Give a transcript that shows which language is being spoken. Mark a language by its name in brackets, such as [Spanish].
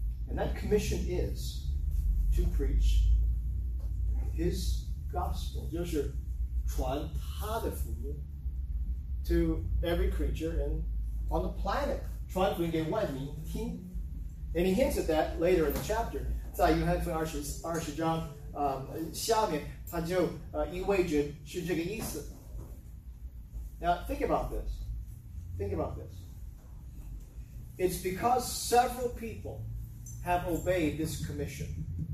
[English] And that commission is to preach His gospel, [Chinese] 就是传他的福音 [English] to every creature and on the planet. [Chinese] 传福音给万民听. [English] And he hints at that later in the chapter. [Chinese] 在约翰福音二十章下面，他就意味着是这个意思。 [English] Now, think about this. Think about this. It's because several people have obeyed this commission.